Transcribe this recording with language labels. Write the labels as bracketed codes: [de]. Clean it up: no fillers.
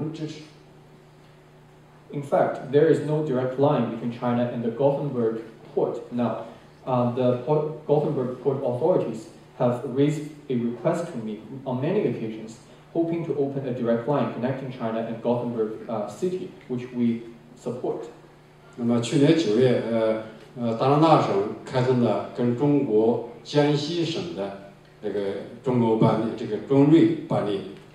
[zh] 那么格德堡方面早就向我提出希望，中国的这个现在格德堡跟中国没有直接的海上航道，格德堡港务局负责人多次向我提出希望开辟这样的直接航道，我们支持。 [en] In fact, there is no direct line between China and the Gothenburg port now. The Gothenburg port authorities have raised a request to me on many occasions, hoping to open a direct line connecting China and Gothenburg city, which we support. [zh] 那么去年九月，达拉纳省开通的跟中国江西省的这个中欧办理，这个中瑞办理